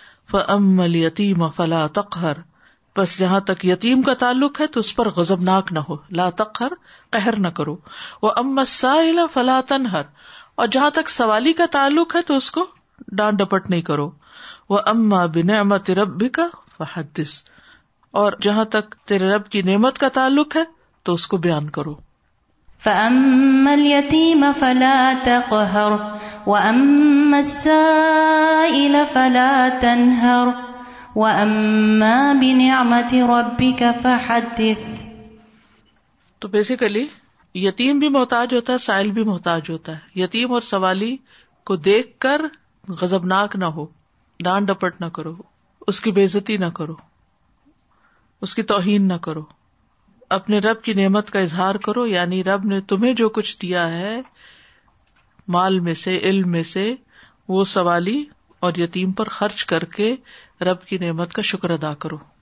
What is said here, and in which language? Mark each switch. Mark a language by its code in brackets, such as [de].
[ar] فاما الیتیم فلا تقہر، [ur] بس جہاں تک یتیم کا تعلق ہے تو اس پر غضبناک نہ ہو، [ar] لا تقہر [ur] قہر نہ کرو، [ar] واما السائل فلا تنہر، [ur] اور جہاں تک سوالی کا تعلق ہے تو اس کو ڈانٹ ڈپٹ نہیں کرو، [ar] واما بنعمت ربک فحدث، [ur] اور جہاں تک تیرے رب کی نعمت کا تعلق ہے تو اس کو بیان کرو۔ [ar] فاما اليتيم فلا تقهر واما السائل فلا تنهر واما بنعمت ربك فحدث۔ [ur] تو بیسیکلی یتیم بھی محتاج ہوتا ہے، سائل بھی محتاج ہوتا ہے، یتیم اور سوالی کو دیکھ کر غضبناک نہ ہو، ڈانٹ ڈپٹ نہ کرو، اس کی بےعزتی نہ کرو، اس کی توہین نہ کرو، اپنے رب کی نعمت کا اظہار کرو، یعنی رب نے تمہیں جو کچھ دیا ہے مال میں سے، علم میں سے، وہ سوالی اور یتیم پر خرچ کر کے رب کی نعمت کا شکر ادا کرو۔